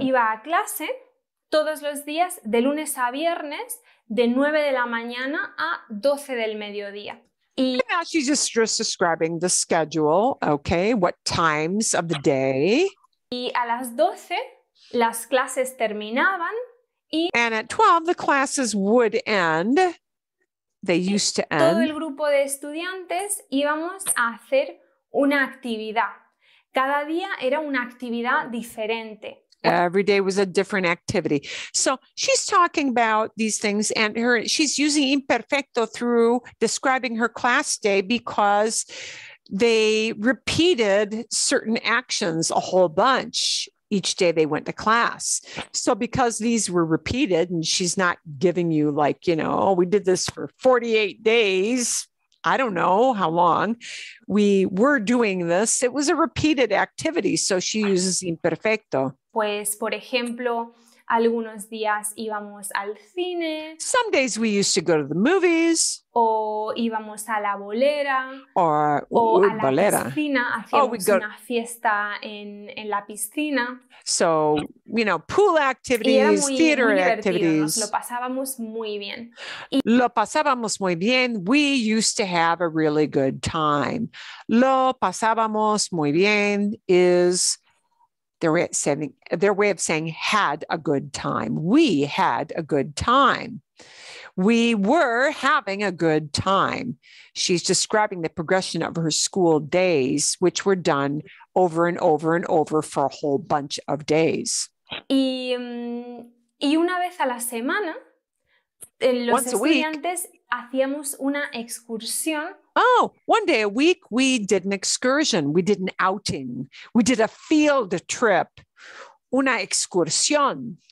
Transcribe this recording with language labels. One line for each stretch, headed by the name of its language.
Spanish: Yo iba a clase todos los días, de lunes a viernes, de 9 de la mañana a 12 del mediodía.
English: Y now she's just describing the schedule, okay, what times of the day.
Spanish: Y a las 12, las clases terminaban y...
English: And at 12, the classes would end. They used to end.
Spanish: Todo el grupo de estudiantes íbamos a hacer una actividad. Cada día era una actividad diferente.
English: Every day was a different activity. So she's talking about these things and she's using imperfecto through describing her class day because they repeated certain actions a whole bunch each day they went to class. So because these were repeated and she's not giving you like, you know, we did this for 48 days. I don't know how long we were doing this. It was a repeated activity. So she uses imperfecto.
Spanish: Pues, por ejemplo, algunos días íbamos al cine.
English: Some days we used to go to the movies.
Spanish: O íbamos a la bolera. Or a la piscina. Hacíamos una fiesta en la piscina.
English: So, you know, pool activities, theater
Spanish: muy
English: activities.
Spanish: Nos lo pasábamos muy bien. Lo pasábamos muy bien.
English: We used to have a really good time.
Spanish: Lo pasábamos muy bien
English: is... Their way of saying had a good time. We had a good time. We were having a good time. She's describing the progression of her school days, which were done over and over and over for a whole bunch of days.
Spanish: Y una vez a la semana, los estudiantes hacíamos una excursión.
English: Oh, one day a week we did an excursion. We did an outing. We did a field trip.
Spanish: Una excursión.